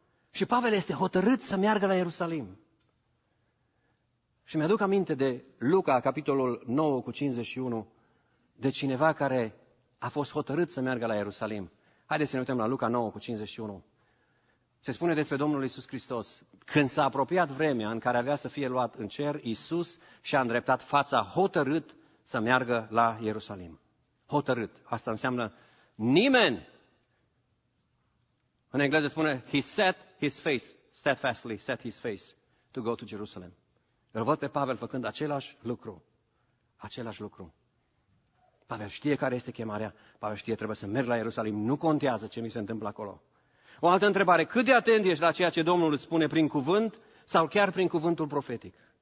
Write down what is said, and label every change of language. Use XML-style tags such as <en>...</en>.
<ro>Și Pavel este hotărât să meargă la Ierusalim. Și mi-aduc aminte de Luca, capitolul 9 cu 51, de cineva care a fost hotărât să meargă la Ierusalim. Haideți să ne uităm la Luca 9 cu 51. Se spune despre Domnul Iisus Hristos, când s-a apropiat vremea în care avea să fie luat în cer, Iisus și-a îndreptat fața hotărât să meargă la Ierusalim. Hotărât. Asta înseamnă nimeni. În engleză spune,</ro> <en>he set his face, steadfastly set his face to go to Jerusalem.</en> <ro>Îl văd pe Pavel făcând același lucru. Același lucru. Pavel știe care este chemarea. Pavel știe, trebuie să merg la Ierusalim. Nu contează ce mi se întâmplă acolo. O altă întrebare, cât de atent ești la ceea ce Domnul îți spune prin cuvânt sau chiar prin cuvântul profetic?</ro>